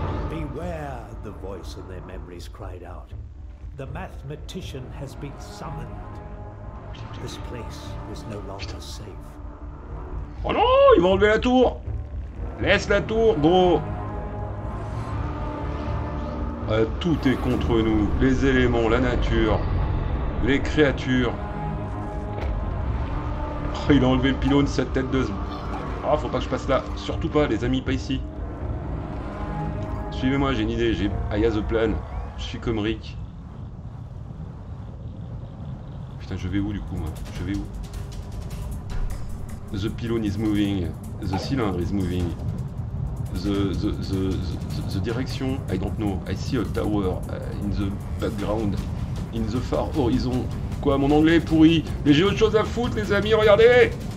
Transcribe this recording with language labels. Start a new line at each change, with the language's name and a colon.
English: Beware, the voice and their memories cried out. The mathematician has been summoned. This place is no longer safe.
French: Oh non, ils vont enlever la tour. Laisse la tour, gros. Tout est contre nous. Les éléments, la nature, les créatures. Oh, il a enlevé le pylône, cette tête de... Oh, faut pas que je passe là. Surtout pas, les amis, pas ici. Suivez-moi, j'ai une idée. J'ai Aya the Plan. Je suis comme Rick. Putain, je vais où, du coup, moi? Je vais où?
English: The pylone is moving. The cylinder is moving. The direction, I don't know. I see a tower in the background. In the far horizon.
French: Quoi, mon anglais est pourri. Mais j'ai autre chose à foutre, les amis, regardez.